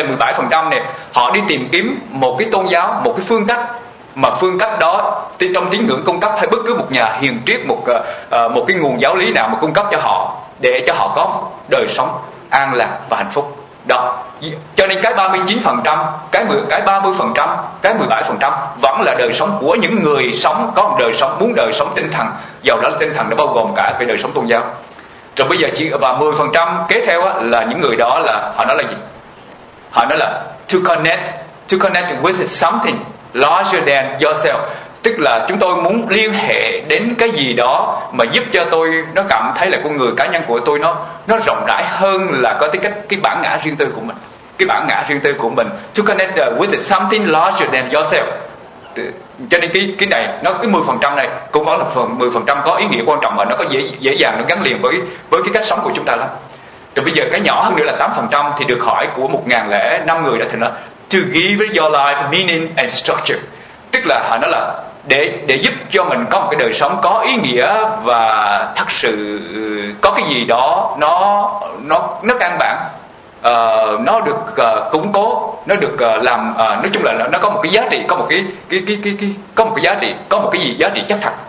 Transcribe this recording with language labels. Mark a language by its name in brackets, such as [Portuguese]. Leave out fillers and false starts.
[Vietnamese] Tại 17% này họ đi tìm kiếm một cái tôn giáo, một cái phương cách, mà phương cách đó trong tín ngưỡng cung cấp, hay bất cứ một nhà hiền triết, một cái nguồn giáo lý nào mà cung cấp cho họ, để cho họ có đời sống an lạc và hạnh phúc. Đó. Cho nên cái 39%, cái 30%, cái 17% vẫn là đời sống của những người sống có một đời sống, muốn đời sống tinh thần, giàu đó tinh thần đã bao gồm cả về đời sống tôn giáo. Rồi bây giờ chỉ và 10% kế theo á, là những người đó là họ nói là gì? Họ nói là [English] to connect with something larger than yourself. [Vietnamese] Tức là chúng tôi muốn liên hệ đến cái gì đó mà giúp cho tôi nó cảm thấy là con người cá nhân của tôi nó rộng rãi hơn là có tính cách cái bản ngã riêng tư của mình. Cái bản ngã riêng tư của mình. [English] To connect with something larger than yourself. [Vietnamese] Cho nên cái này, nó cái 10% này cũng có là phần 10% có ý nghĩa quan trọng và nó có dễ dàng, nó gắn liền với cái cách sống của chúng ta lắm. Rồi bây giờ cái nhỏ hơn nữa là 8% thì được hỏi của 1,005 người đó thì nó [English] to give your life meaning and structure. [Vietnamese] Tức là họ nói là để giúp cho mình có một cái đời sống có ý nghĩa và thật sự có cái gì đó nó căn bản, nó được củng cố, nó được làm, nói chung là nó có một cái giá trị, có một cái có một cái giá trị, có một cái gì giá trị chắc thật.